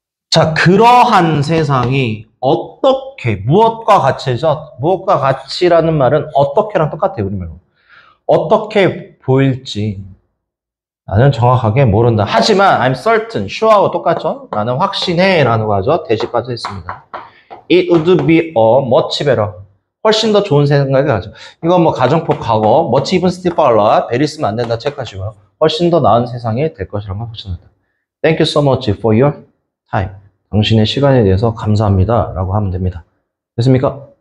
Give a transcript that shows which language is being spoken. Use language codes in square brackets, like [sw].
[ko] 자, 그러한 세상이 어떻게, 무엇과 같이죠? 무엇과 같이라는 말은 어떻게랑 똑같아요, 우리말로. 어떻게 보일지 나는 정확하게 모른다. 하지만 [en] I'm certain, [ko] sure하고 똑같죠? 나는 확신해라는 거죠. 대시까지 했습니다. [en] It would be a much better. [ko] 훨씬 더 좋은 생각이 나죠. 이건 뭐 가정법 과거, [en] much even steeper, [ko] very 쓰면 안 된다 체크하시고요. 훨씬 더 나은 세상이 될 것이라고 확신합니다. [en] Thank you so much for your time. [ko] 당신의 시간에 대해서 감사합니다. 라고 하면 됩니다. 됐습니까?